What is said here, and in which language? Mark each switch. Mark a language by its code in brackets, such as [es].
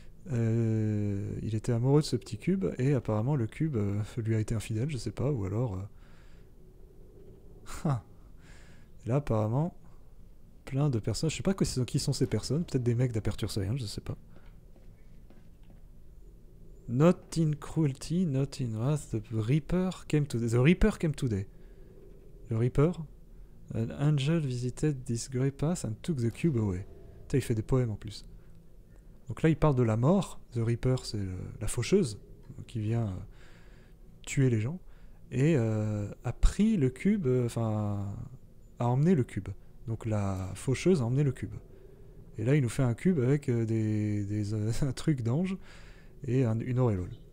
[fr] Il était amoureux de ce petit cube et apparemment le cube lui a été infidèle, je sais pas, ou alors. Là apparemment, plein de personnes. Je sais pas qui sont ces personnes. Peut-être des mecs d'Aperture Science, je sais pas. [en] Not in cruelty, not in wrath. The Reaper came today. Le Reaper? An angel visited this grey path and took the cube away. [fr] T'as, il fait des poèmes en plus. Donc là, il parle de la mort. The Reaper, c'est la faucheuse qui vient tuer les gens. Et a pris le cube, enfin, a emmené le cube. Donc la faucheuse a emmené le cube. Et là, il nous fait un cube avec un truc d'ange et une auréole.